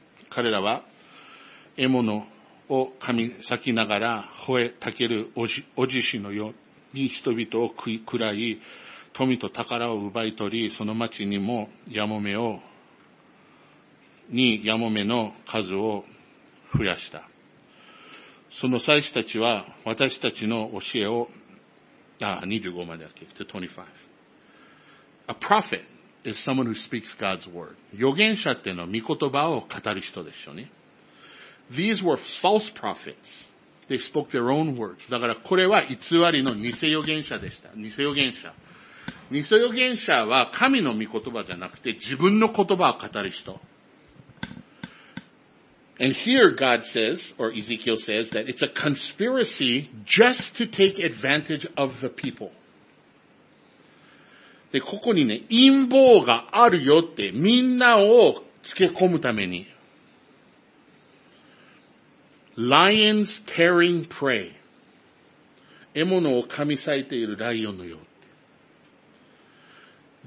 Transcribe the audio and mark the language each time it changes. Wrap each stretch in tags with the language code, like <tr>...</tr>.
<ja>彼らは獲物を噛み裂きながら吠えたけるおじしのように人々を食らい、富と宝を奪い取り、その町にもヤモメの数を増やした。その祭司たちは私たちの教えを、25までだっけ ?to 25.</ja> <en>A prophet is someone who speaks God's word.</en> <ja>預言者っていうのは御言葉を語る人でしょうね。</ja> <en>These were false prophets. They spoke their own words.</en> <ja>だからこれは偽りの偽預言者でした。偽預言者。偽預言者は神の御言葉じゃなくて自分の言葉を語る人。</ja> <en>And here God says, or Ezekiel says, that it's a conspiracy just to take advantage of the people.</en> <ja>で、ここにね、陰謀があるよってみんなをつけ込むために。</ja> <en>Lions tearing prey.</en> <ja>獲物を噛み裂いているライオンのよう。</ja>